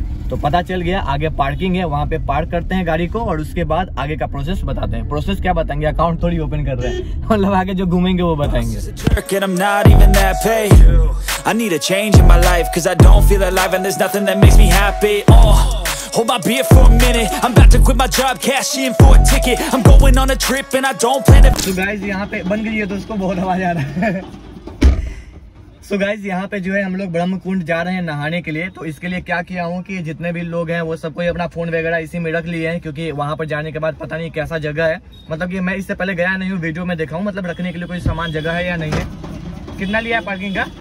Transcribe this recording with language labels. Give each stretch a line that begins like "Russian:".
Hindi: तो पता चल गया आगे पार्किंग है, वहाँ पे पार्क करते हैं गाड़ी को, और उसके बाद आगे का प्रोसेस बताते हैं। प्रोसेस क्या बताएंगे, अकाउंट थोड़ी ओपन कर रहे हैं, मतलब आगे जो घूमेंगे वो बताएंगे।
English: Hold my beer for a minute. I'm about to quit my job, cash in for a ticket. I'm going on a trip and I don't plan to.
Hindi: So guys, यहाँ पे बन गई है, तो उसको बहुत आवाज आ रहा है। So guys, यहाँ पे जो है हम लोग ब्रह्मकुंड जा रहे हैं नहाने के लिए। तो इसके लिए क्या किया हूँ कि जितने भी लोग हैं वो सबको अपना फोन वगैरह इसी में रख लिए हैं, क्योंकि वहाँ पर जाने के बाद पता नहीं कैसा जगह है, मतलब कि मैं इससे पहले गया नहीं हूँ, वीडियो में देखा हूँ, मतलब रखने के लिए कोई सामान जगह है या नहीं है। कितना लिया है पार्किंग का?